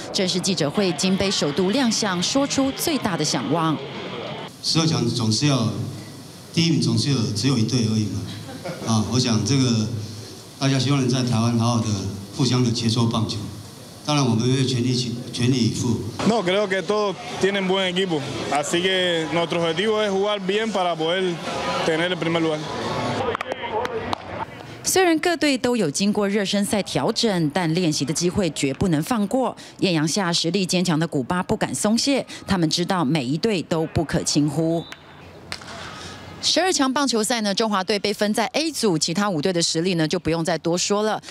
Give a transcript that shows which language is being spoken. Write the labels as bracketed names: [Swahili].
[Chinese] 正式记者会，金杯首度亮相，说出最大的想望。 12强总是要。第一名总是有只有一队而已嘛，啊，我想这个大家希望能在台湾好好的互相的切磋棒球，当然我们会全力以赴。 [Spanish] No creo que todos tienen buen equipo, así que nuestro objetivo es jugar bien para poder tener el primer lugar。 [Chinese] 虽然各队都有经过热身赛调整，但练习的机会绝不能放过。艳阳下实力坚强的古巴不敢松懈，他们知道每一队都不可轻忽。 12强棒球赛呢，中华队被分在 A 组，其他5队的实力呢就不用再多说了。